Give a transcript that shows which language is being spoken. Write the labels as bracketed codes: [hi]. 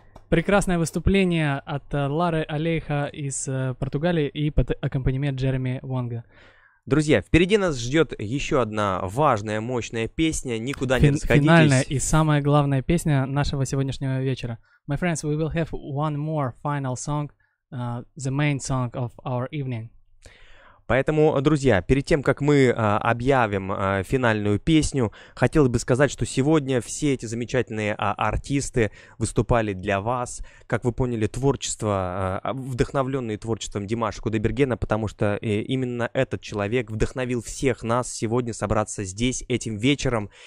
[ru] Прекрасное выступление от Лары Алейха из Португалии и под аккомпанемент Джереми Вонга. Друзья, впереди нас ждет еще одна важная, мощная песня. Никуда не расходитесь. Финальная и самая главная песня нашего сегодняшнего вечера. [en] My friends, we will have one more final song, the main song of our evening. [ru] Поэтому, друзья, перед тем, как мы объявим финальную песню, хотелось бы сказать, что сегодня все эти замечательные артисты выступали для вас. Как вы поняли, творчество, вдохновленное творчеством Димаша Кудайбергена, потому что именно этот человек вдохновил всех нас сегодня собраться здесь этим вечером.